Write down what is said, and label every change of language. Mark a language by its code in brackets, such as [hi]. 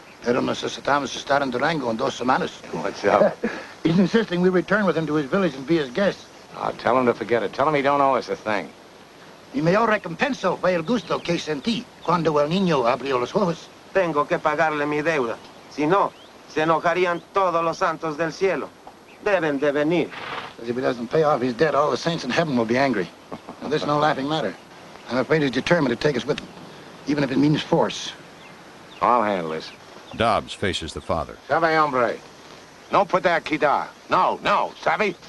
[es] Pero necesitamos estar en Durango en dos semanas. [en] What's up? He's insisting we return with him to his village and be his guests. Oh, tell him to forget it. Tell him he don't owe us a thing. [es] Mi mayor recompensa fue el gusto que sentí cuando el niño abrió los ojos. Tengo que pagarle mi deuda. Si no, se enojarían todos los santos del cielo. Deben de venir. [en] Because if he doesn't pay off his debt, all the saints in heaven will be angry. Now, this is no laughing matter. I'm afraid he's determined to take us with him, even if it means force. I'll handle this. Dobbs faces the father. [es] Sabe, hombre. [en] No put that key down. No, no, savvy?